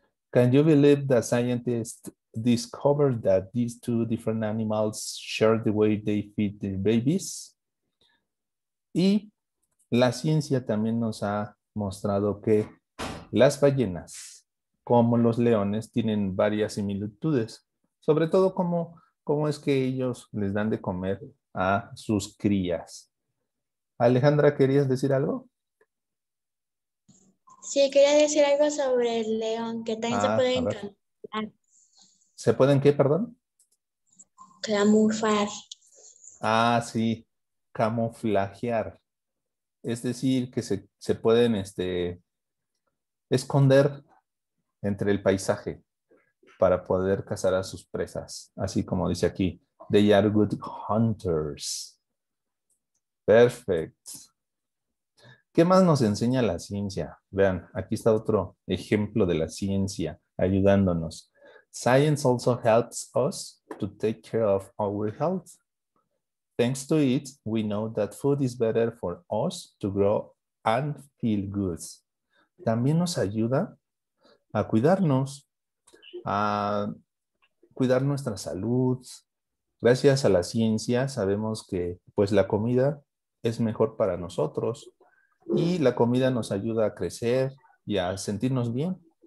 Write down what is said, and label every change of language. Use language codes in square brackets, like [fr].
[en] Can you believe that scientists discovered that these two different animals share the way they feed their babies? [es] Y la ciencia también nos ha mostrado que las ballenas, como los leones, tienen varias similitudes, sobre todo cómo es que ellos les dan de comer a sus crías. Alejandra, ¿querías decir algo? Sí, quería decir algo sobre el león, que también se puede camuflar. ¿Se pueden qué, perdón? Camuflar. Ah, sí, camuflajear. Es decir, que se pueden esconder entre el paisaje para poder cazar a sus presas. Así como dice aquí, [en] they are good hunters. Perfect. [es] ¿Qué más nos enseña la ciencia? Vean, aquí está otro ejemplo de la ciencia ayudándonos. [en] Science also helps us to take care of our health. Thanks to it, we know that food is better for us to grow and feel good. [es] También nos ayuda a cuidarnos, a cuidar nuestra salud. Gracias a la ciencia sabemos que pues la comida es mejor para nosotros y la comida nos ayuda a crecer y a sentirnos bien.